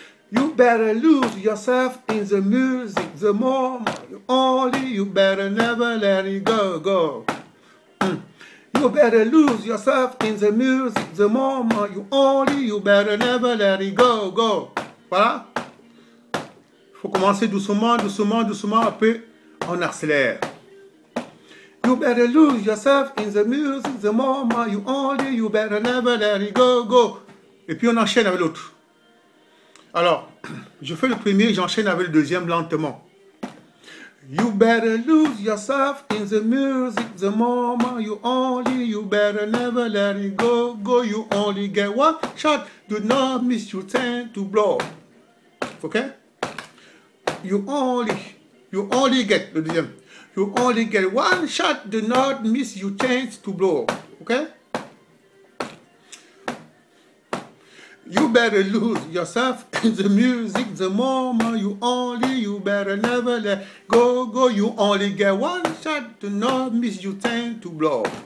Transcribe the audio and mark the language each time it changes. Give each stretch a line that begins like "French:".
English: You better lose yourself in the music the moment you only. You better never let it go, go. You better lose yourself in the music the moment you only. You better never let it go, go.
French: Voilà. Faut commencer doucement, doucement, doucement, après on accélère.
English: You better lose yourself in the music the moment you only. You better never let it go, go.
French: Et puis on enchaîne avec l'autre. Alors, je fais le premier, j'enchaîne avec le deuxième lentement.
English: You better lose yourself in the music the moment you only. You better never let it go, go. You only get one shot. Do not miss your chance to blow. Ok? You only get,
French: le deuxième.
English: You only get one shot, do not miss your chance to blow. Ok? You better lose yourself in the music the moment you only. You better never let go, go. You only get one shot, do not miss your chance to blow.